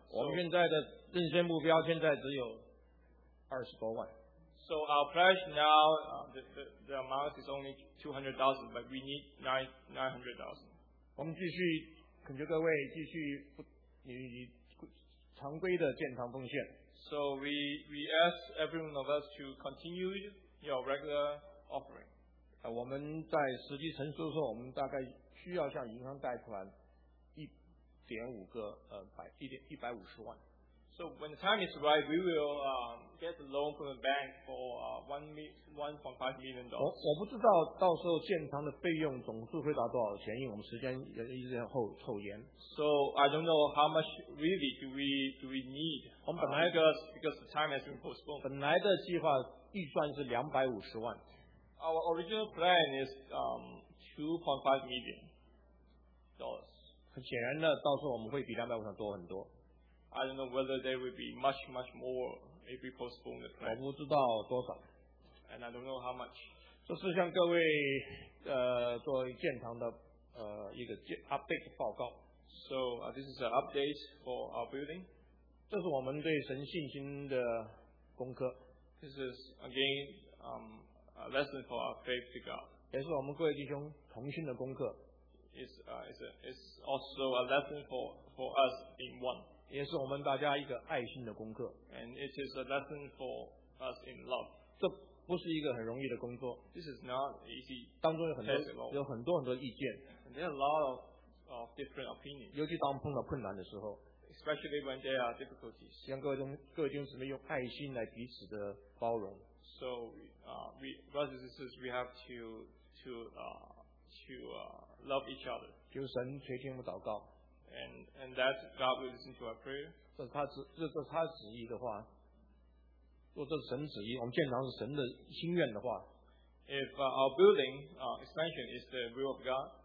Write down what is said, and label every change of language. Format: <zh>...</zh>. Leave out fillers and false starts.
<zh>我们现在的任县目标现在只有20多万。</zh> <en>So our pledge now, the amount is only $200,000, but we need $900,000.</en> <zh>我们继续恳求各位继续你常规的建堂奉献。</zh> <en>So we ask every one of us to continue. Your regular offering.</en> <zh>我们在实际成熟的时候，我们大概需要向银行贷款150万。</zh> <en>So when the time is right, we will get a loan from the bank for $1.5 million.</en> <zh>我不知道到时候建堂的费用总数会达多少钱，因为我们时间也一直后延。</zh> <en>So I don't know how much really do we need.</en> <zh>我们本来</zh> <en>because the time has been postponed.</en> <zh>本来的计划预算是250万。</zh> <en>Our original plan is $2.5 million.</en> <zh>很显然的，到时候我们会比250万多很多。</zh> <en>I don't know whether there will be much more if we postpone the plan.</en> <zh>我不知道多少。</zh> <en>And I don't know how much.</en> <zh>这是向各位做建堂的一个 update 报告。</zh> <en>So this is an update for our building.</en> <zh>这是我们对神信心的功课。</zh> <en>This is again a lesson for our faith to God.</en> <zh>也是我们各位弟兄同心的功课。</zh> <en>It's also a lesson for us in one.</en> <zh>也是我们大家一个爱心的功课。</zh> <en>And it is a lesson for us in love.</en> <zh>这不是一个很容易的工作。</zh> <en>This is not easy.</en> <zh>当中有很多意见。</zh> <en>And there are a lot of different opinions.</en> <zh>尤其当碰到困难的时候。</zh> <en>Especially when there are difficulties.</en> <zh>希望各位弟兄姊妹用爱心来彼此的包容。</zh> <en>So, we brothers and sisters, we have to love each other.</en> <zh>求神垂听我祷告。</zh> <en>And that God will listen to our prayer.</en> <zh>这是他旨意的话，若这是神旨意，我们建堂是神的心愿的话。</zh> <en>If our building expansion is the will of God,</en>